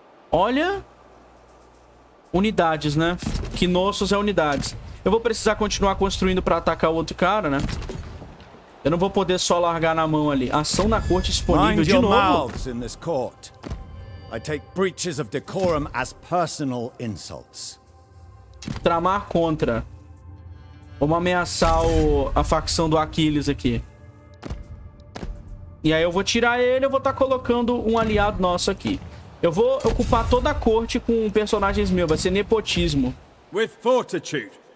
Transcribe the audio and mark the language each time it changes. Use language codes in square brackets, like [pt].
[pt] Olha. Unidades, né? Knossos é unidades. Eu vou precisar continuar construindo pra atacar o outro cara, né? Eu não vou poder só largar na mão ali. Ação na corte disponível de novo. [en] Eu tomo breaches of decorum as personal insults. [pt] Tramar contra. Vamos ameaçar a facção do Aquiles aqui. E aí eu vou tirar ele, eu vou estar colocando um aliado nosso aqui. Eu vou ocupar toda a corte com personagens meus, vai ser nepotismo. [en] With fortitude.